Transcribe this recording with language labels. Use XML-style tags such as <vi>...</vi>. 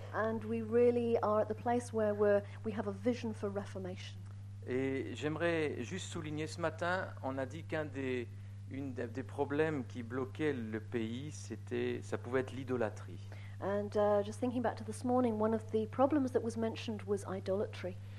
<en>And we really are at the place where we have a vision for reformation.</en> <fr>Et j'aimerais juste souligner ce matin, on a dit qu'un des problèmes qui bloquait le pays, ça pouvait être l'idolâtrie.</fr> <en>And just thinking back to this morning, one of the problems that was mentioned was idolatry.</en>